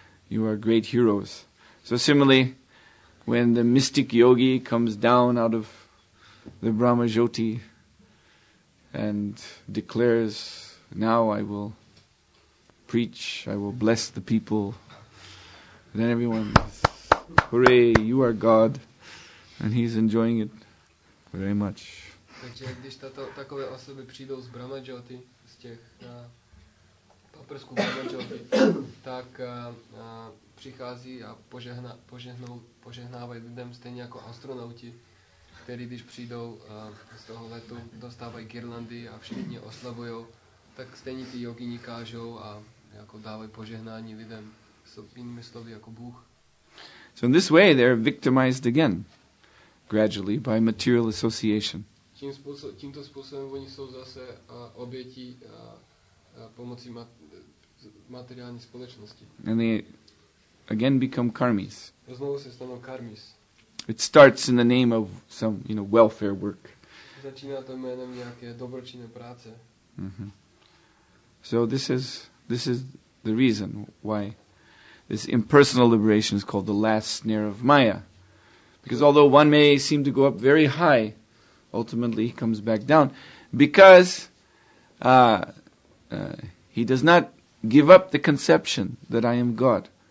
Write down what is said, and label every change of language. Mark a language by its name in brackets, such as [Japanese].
[English] You are great heroes. So similarly, when the mystic yogi comes down out of the Brahma Jyoti and declares, now I will preach, I will bless the people, then everyone says, hooray, you are God. And he's enjoying it very much. [Czech] Takže když tato, takové osoby přijdou z Brahma Jyoti, z těch paprsků Brahma Jyoti, tak přichází a požehnávají lidem stejně jako astronauti, kteří když přijdou z toho letu, dostávají girlandy a všichni oslavují, tak stejně ty jogini kážou a jako dávají požehnání lidem, jinými slovy jako Bůh. [English] So in this way they're victimized again, gradually, by material association. [Czech] Tímto způsobem oni jsou zase oběti pomocí materiální společnosti. [English] And they again become karmis. [Czech] Znovu se stanou karmis. [English] It starts in the name of some, you know, welfare work. [Czech] Začíná to jménem nějaké dobročinné práce. Mm-hmm. [English] So this is the reason why this impersonal liberation is called the last snare of Maya. Because although one may seem to go up very high, ultimately he comes back down. Because he does not give up the conception that I am God.